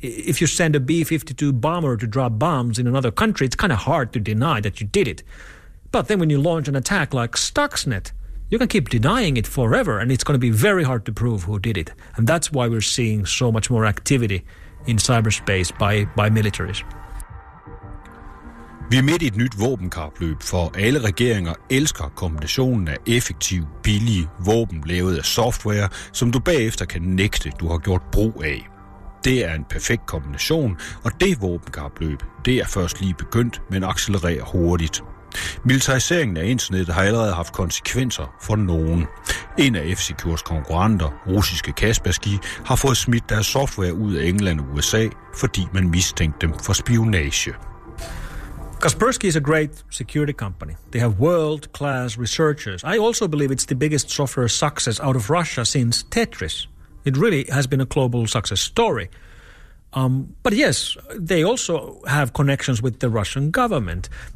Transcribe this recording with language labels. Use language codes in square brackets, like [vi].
[en] If you send a B-52 bomber to drop bombs in another country, it's kind of hard to deny that you did it. But then when you launch an attack like Stuxnet, you can keep denying it forever, and it's going to be very hard to prove who did it. And that's why we're seeing so much more activity in cyberspace by militaries. [da] Vi er midt i et nyt våbenkapløb, for alle regeringer elsker kombinationen af effektiv, billige våben lavet af software, som du bagefter kan nægte, du har gjort brug af. Det er en perfekt kombination, og det våbenkapløb, det er først lige begyndt, men accelererer hurtigt. Militariseringen af internettet har allerede haft konsekvenser for nogen. En af F-Secures konkurrenter, russiske Kaspersky, har fået smidt deres software ud af England og USA, fordi man mistænkte dem for spionage. [en] Kaspersky is a great security company. They have world-class researchers. I also believe it's the biggest software success out of Russia since Tetris. It really has been a global success story. But yes, they also have connections with the Russian government.